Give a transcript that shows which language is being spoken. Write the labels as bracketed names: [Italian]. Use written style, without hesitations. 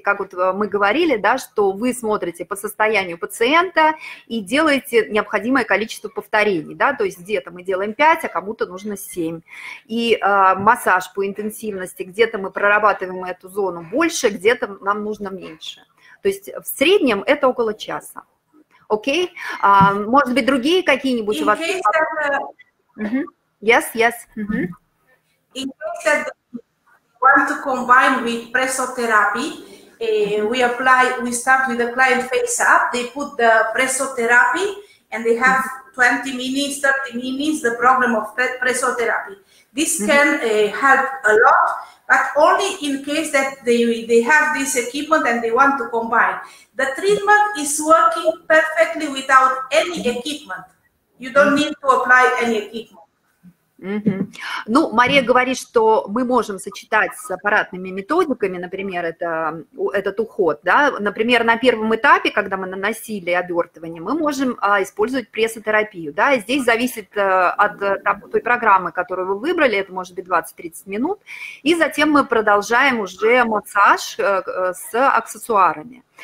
[Russian] Как вот мы говорили, да, что вы смотрите по состоянию пациента и делаете необходимое количество повторений, да, то есть где-то мы делаем 5, а кому-то нужно 7. И массаж по интенсивности, где-то мы прорабатываем эту зону больше, где-то нам нужно меньше. То есть в среднем это около часа. Окей? Okay. Может быть, другие какие-нибудь in у вас? That, mm-hmm. [English] Yes, yes. Mm-hmm. In case that you want to combine with pressotherapy, we start with the client face up, they put the pressotherapy, and they have 20 minutes, 30 minutes, the problem of pressotherapy. This can help a lot, but only in case that they have this equipment and they want to combine. The treatment is working perfectly without any equipment. You don't need to apply any equipment. Mm-hmm. [Russian] Ну, Мария говорит, что мы можем сочетать с аппаратными методиками, например, этот уход, да, например, на первом этапе, когда мы наносили обертывание, мы можем использовать прессотерапию, да, здесь зависит от той программы, которую вы выбрали, это может быть 20-30 минут, и затем мы продолжаем уже массаж с аксессуарами.